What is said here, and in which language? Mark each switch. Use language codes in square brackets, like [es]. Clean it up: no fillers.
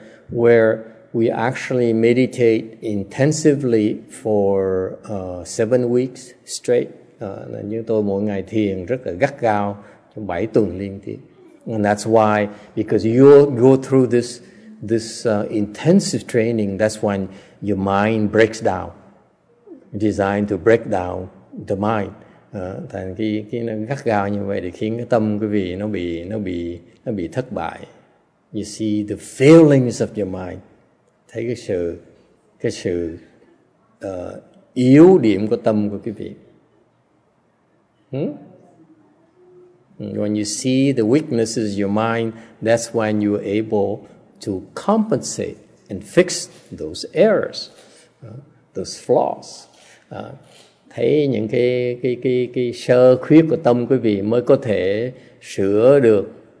[en] Where we actually meditate intensively for 7 weeks straight. [vi] Chúng tôi mỗi ngày thiền rất là gắt gao trong 7 tuần liên tiếp. [en] And that's why, because you go through this intensive training, that's when your mind breaks down, designed to break down the mind. [vi] thành cái nó gắt gao như vậy để khiến cái tâm quý vị nó bị thất bại. [en] You see the failings of your mind, [vi] thấy cái sự yếu điểm của tâm của quý vị. [en] When you see the weaknesses of your mind, that's when you are able to compensate and fix those errors, those flaws. [vi] Thấy những cái sơ khuyết của tâm quý vị mới có thể sửa được.